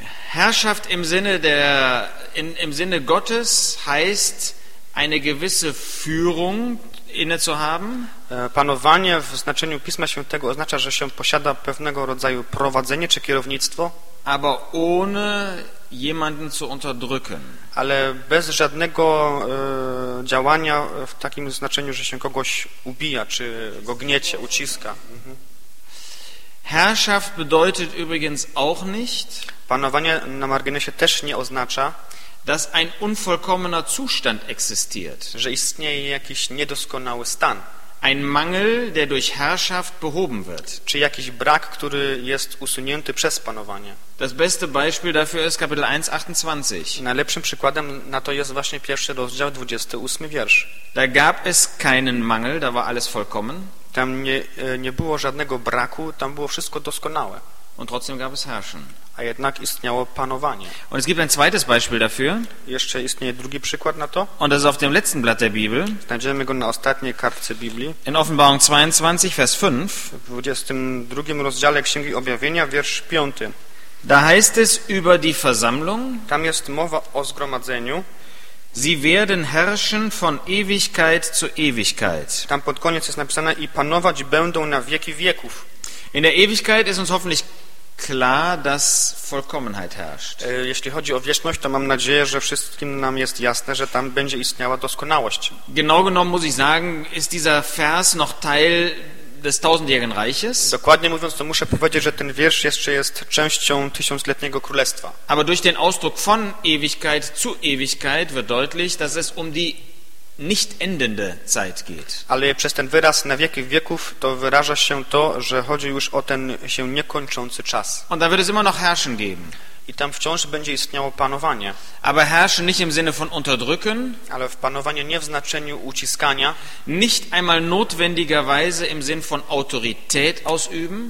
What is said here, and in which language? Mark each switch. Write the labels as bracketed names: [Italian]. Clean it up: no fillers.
[German] Herrschaft im Sinne der im Sinne Gottes heißt eine gewisse Führung inne zu haben. [Polish] Panowanie w znaczeniu Pisma Świętego oznacza, że się posiada pewnego rodzaju prowadzenie czy kierownictwo, [German] aber ohne jemanden zu unterdrücken. [Polish] Ale bez żadnego działania w takim znaczeniu, że się kogoś ubija, czy go gniecie, uciska. [German] Herrschaft bedeutet übrigens auch nicht, [Polish] panowanie na marginesie też nie oznacza, [German] dass ein unvollkommener Zustand existiert, [Polish] że istnieje jakiś niedoskonały stan, [German] ein Mangel, der durch Herrschaft behoben wird, [Polish] czy jakiś brak, który jest usunięty przez panowanie. [German] Das beste Beispiel dafür ist Kapitel 1, 28. [Polish] Najlepszym przykładem na to jest właśnie pierwszy rozdział, 28 wiersz. [German] Da gab es keinen Mangel, da war alles vollkommen. [Polish] Tam nie było żadnego braku, tam było wszystko doskonałe. [German] Und trotzdem gab es Herrschen. [Polish] A jednak istniało panowanie. [German] Und es gibt ein zweites Beispiel dafür. [Polish] Jeszcze istnieje drugi przykład na to. [German] Und das ist auf dem letzten Blatt der Bibel. [Polish] Znajdziemy go na ostatniej kartce Biblii. [German] In Offenbarung 22, Vers 5. [Polish] W 22 rozdziale Księgi Objawienia, wiersz 5. [German] Da heißt es über die Versammlung. [Polish] Tam jest mowa o zgromadzeniu. [German] Sie werden herrschen von Ewigkeit zu Ewigkeit. [Polish] Tam pod koniec jest napisane i panować będą na wieki wieków. [German] In der Ewigkeit ist uns hoffentlich klar, dass Vollkommenheit herrscht. [Polish] Jeśli chodzi o wieczność, to mam nadzieję, że wszystkim nam jest jasne, że tam będzie istniała doskonałość. [German] Genau genommen muss ich sagen, ist dieser Vers noch Teil des tausendjährigen Reiches. [Polish] Dokładnie mówiąc, to muszę powiedzieć, że ten wiersz jeszcze jest częścią tysiącletniego królestwa. [German] Aber durch den Ausdruck von Ewigkeit zu Ewigkeit wird deutlich, dass es um die nicht endende Zeit geht. [Polish] Ale przez ten wyraz na wieki wieków to wyraża się to, że chodzi już o ten się niekończący czas. [German] Und da wird es immer noch herrschen geben. [Polish] I tam wciąż będzie istniało panowanie. [German] Aber herrschen nicht im Sinne von unterdrücken. [Polish] Ale w panowanie nie w znaczeniu uciskania. [German] Nicht einmal notwendigerweise im Sinn von Autorität ausüben.